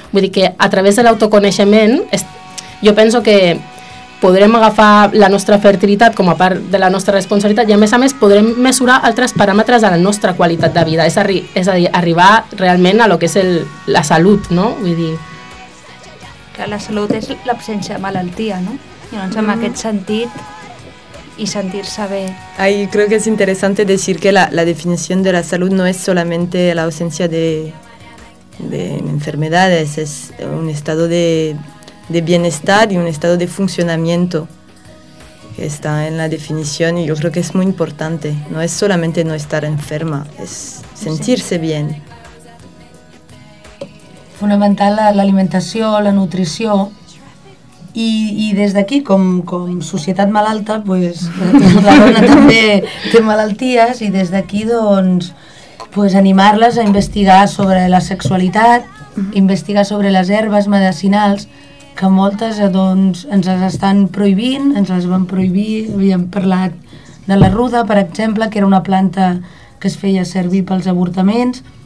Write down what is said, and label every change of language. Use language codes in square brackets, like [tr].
[ca] Vull dir que a través de l'autoconeixement jo penso que podrem agafar la nostra fertilitat com a part de la nostra responsabilitat i a més podrem mesurar altres paràmetres de la nostra qualitat de vida, és a dir, arribar realment a lo que és la salut, no? Vull dir... Que la salut és l'absència de malaltia, no? I doncs en aquest sentit... [es] Y sentirse bien. Ahí creo que es interesante decir que la definición de la salud no es solamente la ausencia de enfermedades, es un estado de bienestar y un estado de funcionamiento que está en la definición y yo creo que es muy importante. No es solamente no estar enferma, es sentirse bien. Fundamental la alimentación, la nutrición. [ca] I des d'aquí, com societat malalta, pues, la dona també té malalties i des d'aquí doncs, pues, animar-les a investigar sobre la sexualitat, investigar sobre les herbes medicinals, que moltes doncs, ens les estan prohibint, ens les van prohibir, havíem parlat de la ruda, per exemple, que era una planta que es feia servir pels avortaments,